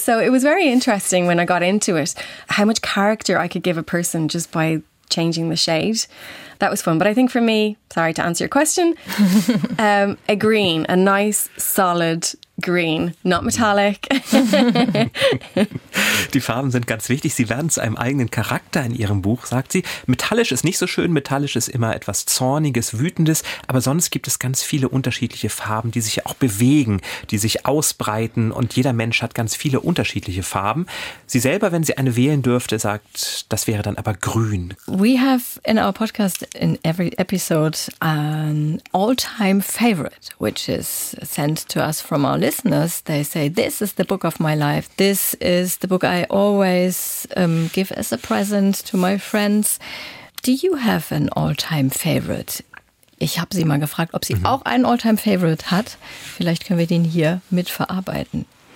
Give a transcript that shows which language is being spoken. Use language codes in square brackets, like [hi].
[en] So it was very interesting when I got into it, how much character I could give a person just by changing the shade. That was fun. But I think for me, sorry to answer your question, a green, a nice, solid green, not metallic. [de] Die Farben sind ganz wichtig. Sie werden zu einem eigenen Charakter in ihrem Buch, sagt sie. Metallisch ist nicht so schön. Metallisch ist immer etwas Zorniges, Wütendes. Aber sonst gibt es ganz viele unterschiedliche Farben, die sich auch bewegen, die sich ausbreiten. Und jeder Mensch hat ganz viele unterschiedliche Farben. Sie selber, wenn sie eine wählen dürfte, sagt, das wäre dann aber grün. [en] We have in our podcast in every episode an all-time favorite, which is sent to us from our listeners. They say, this is the book of my life. This is the book I always give as a present to my friends. Do you have an all-time favorite? [de] Ich habe sie mal gefragt, ob sie auch einen all-time favorite hat. Vielleicht können wir den hier mitverarbeiten.